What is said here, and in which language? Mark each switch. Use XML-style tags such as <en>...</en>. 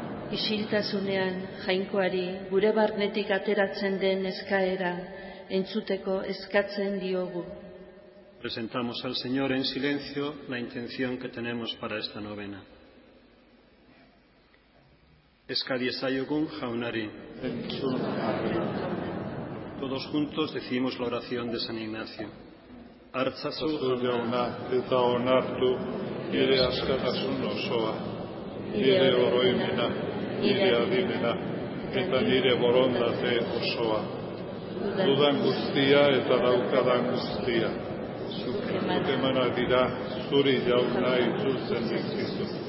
<eu>Isiltasunean jainkoari gure barnetik ateratzen den eskaera entzuteko eskatzen diogu.</eu> <es>Presentamos al Señor en silencio la intención que tenemos para esta novena.</es> <eu>Eskadiezaiogun jaunari.</eu> <es>Todos juntos decimos la oración de San Ignacio.</es> <eu>Artzazu jauna eta onartu, ire askatasun osoa, ire oroimena, ire adimena, eta ire borondate osoa. Dudan guztia eta daukadan guztia. Zukrematu emana dira, zuri jauna itzultzen dizkizu.</eu>